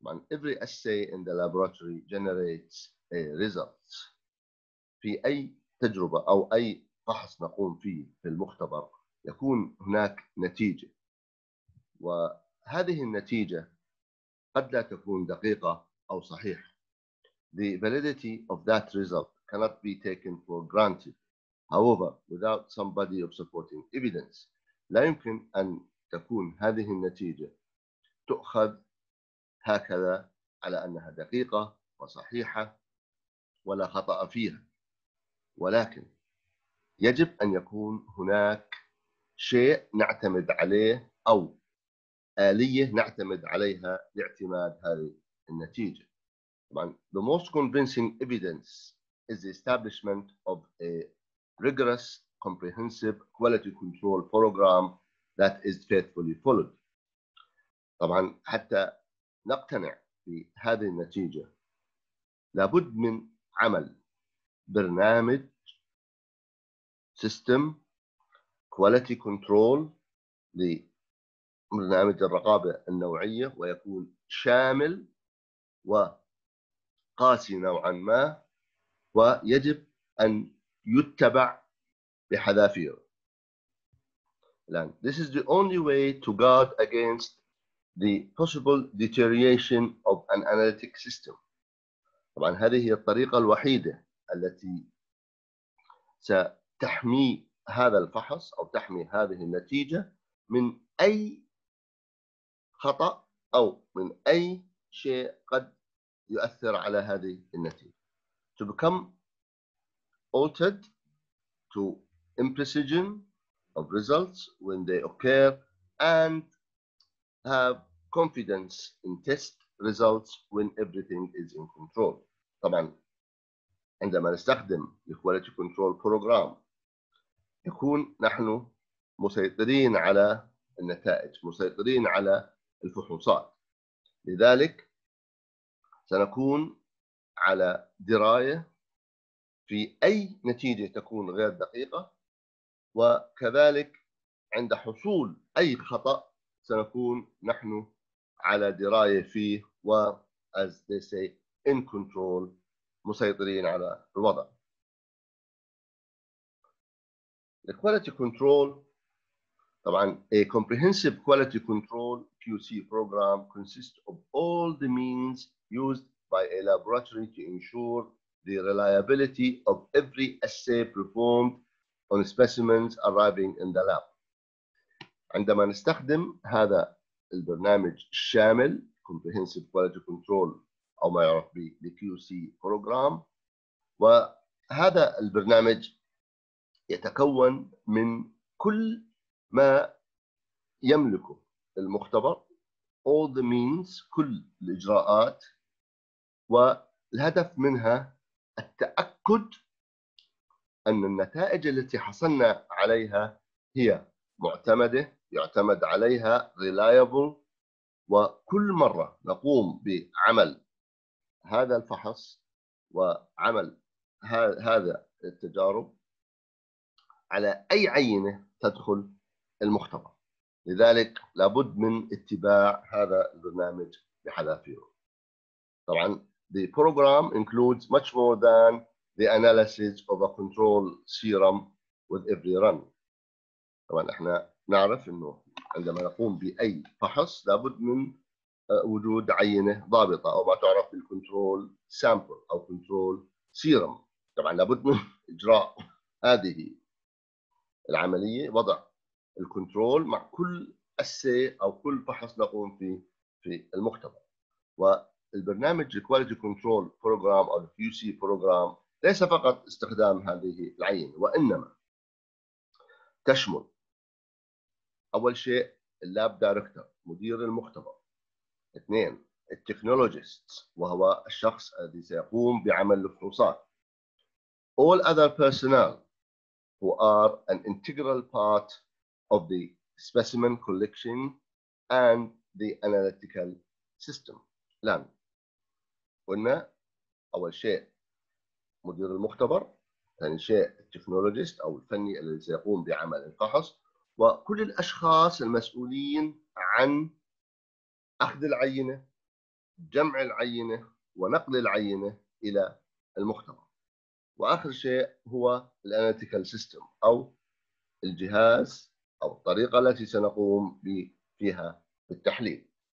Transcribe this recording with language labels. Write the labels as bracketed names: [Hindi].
[English] Every assay in the laboratory generates a result. [Arabic] في أي تجربة أو أي فحص نقوم فيه في المختبر يكون هناك نتيجة. وهذه النتيجة قد لا تكون دقيقة أو صحيحة. [English] The validity of that result cannot be taken for granted. However, without somebody of supporting evidence, [Arabic] لا يمكن أن تكون هذه النتيجة تؤخذ هكذا على أنها دقيقة وصحيحة ولا خطأ فيها. ولكن يجب أن يكون هناك شيء نعتمد عليه أو آلية نعتمد عليها لاعتماد هذه النتيجة. [English] The most convincing evidence is the establishment of a rigorous, comprehensive quality control program that is faithfully followed. [Arabic] طبعا حتى نقتنع بهذه النتيجة لابد من عمل برنامج سيستم كواليتي كنترول لبرنامج الرقابة النوعية ويكون شامل وقاسي نوعا ما ويجب أن يتبع بحذافيره. الآن [English] this is the only way to guard against the possible deterioration of an analytic system. [Arabic] طبعا هذه هي الطريقة الوحيدة التي ستحمي هذا الفحص أو تحمي هذه النتيجة من أي خطأ أو من أي شيء قد يؤثر على هذه النتيجة. [English] To become altered to imprecision of results when they occur and have confidence in test results when everything is in control. [Arabic] طبعا عندما نستخدم الكواليتي كنترول بروجرام يكون نحن مسيطرين على النتائج، مسيطرين على الفحوصات. لذلك سنكون على دراية في أي نتيجة تكون غير دقيقة، وكذلك عند حصول أي خطأ سنكون نحن على دراية فيه و [English] as they say in control [Arabic] مسيطرين على الوضع. [English] The quality control [Arabic] طبعا [English] a comprehensive quality control QC program consists of all the means used by a laboratory to ensure the reliability of every assay performed on specimens arriving in the lab. [Arabic] عندما نستخدم هذا البرنامج الشامل Comprehensive Quality Control أو ما يعرف بـ QC Program، وهذا البرنامج يتكون من كل ما يملكه المختبر [English] All the means [Arabic] كل الإجراءات، والهدف منها التأكد أن النتائج التي حصلنا عليها هي معتمدة يعتمد عليها reliable. وكل مرة نقوم بعمل هذا الفحص وعمل هذا التجارب على أي عينة تدخل المختبر، لذلك لابد من اتباع هذا البرنامج بحذافيره. طبعا [English] the program includes much more than the analysis of a control serum with every run. [Arabic] طبعا احنا نعرف انه عندما نقوم بأي فحص لابد من وجود عينة ضابطة أو ما تعرف بالكنترول سامبل أو كنترول سيرم. طبعا لابد من إجراء هذه العملية، وضع الكنترول مع كل أسي أو كل فحص نقوم فيه في المختبر. والبرنامج Quality Control Program أو QC Program ليس فقط استخدام هذه العينة، وإنما تشمل أول شيء اللاب دايركتور مدير المختبر، اثنين التكنولوجيست وهو الشخص الذي سيقوم بعمل الفحوصات. [English] All other personnel who are an integral part of the specimen collection and the analytical system. [Arabic] الآن قلنا أول شيء مدير المختبر، ثاني شيء التكنولوجيست أو الفني الذي سيقوم بعمل الفحص، وكل الأشخاص المسؤولين عن أخذ العينة، جمع العينة ونقل العينة إلى المختبر، وآخر شيء هو الاناتيكال سيستم أو الجهاز أو الطريقة التي سنقوم فيها بالتحليل.